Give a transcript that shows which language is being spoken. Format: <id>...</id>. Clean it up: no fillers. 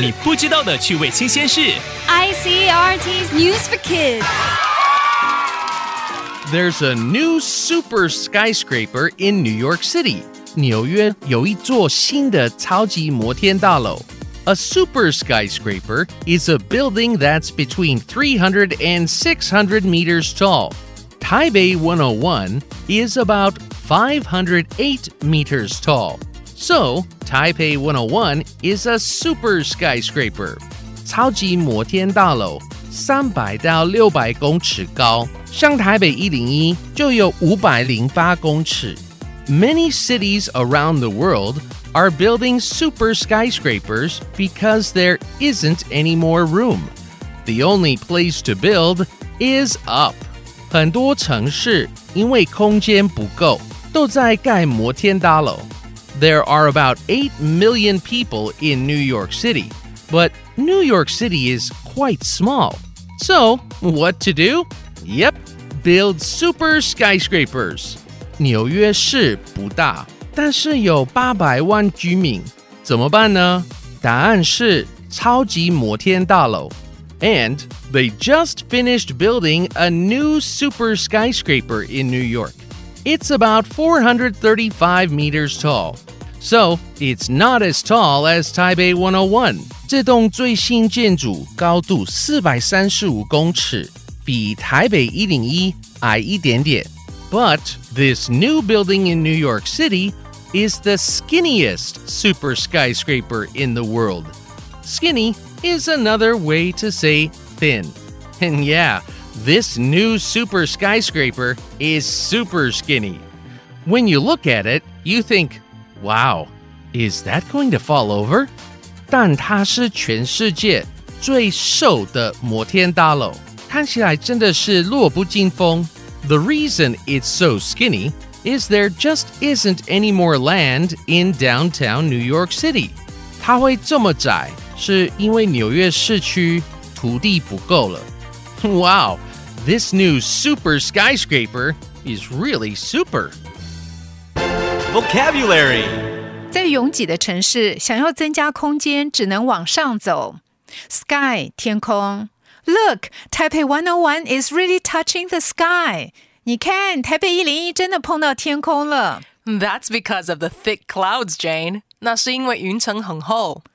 <zh>你不知道的趣味新鲜事。</zh> <en>ICRT's News for Kids! There's a new super skyscraper in New York City.</en> <zh>纽约有一座新的超级摩天大楼。</zh> <en>A super skyscraper is a building that's between 300 and 600 meters tall. Taipei 101 is about 508 meters tall. So, Taipei 101 is a super skyscraper.</en> <zh>超级摩天大楼300到600公尺高，像台北101就有508公尺。</zh> <en>Many cities around the world are building super skyscrapers because there isn't any more room. The only place to build is up.</en> <zh>很多城市因为空间不够，都在盖摩天大楼。</zh> <en>There are about 8 million people in New York City, but New York City is quite small. So, what to do? Yep, build super skyscrapers.</en> <zh>纽约市不大，但是有800万居民，怎么办呢？答案是超级摩天大楼。</zh> <en>And they just finished building a new super skyscraper in New York. It's about 435 meters tall. So, it's not as tall as Taipei 101.</en> <zh>这栋最新建筑高度435公尺，比台北101矮一点点。</zh> <en>But this new building in New York City is the skinniest super skyscraper in the world. Skinny is another way to say thin. And yeah, this new super skyscraper is super skinny. When you look at it, you think, wow, is that going to fall over?</en> <zh>但它是全世界最瘦的摩天大楼，看起来真的是弱不禁风。</zh> <en>The reason it's so skinny is there just isn't any more land in downtown New York City.</en> <zh>它会这么窄是因为纽约市区土地不够了。</zh> <en>Wow, this new super skyscraper is really super. Vocabulary.</en> <zh>在拥挤的城市，想要增加空间，只能往上走。</zh> <en>Sky, 天空。Look, Taipei 101 is really touching the sky.</en> <zh>你看，台北101真的碰到天空了。</zh> <en>That's because of the thick clouds, Jane.</en> <zh>那是因为云层很厚。</zh>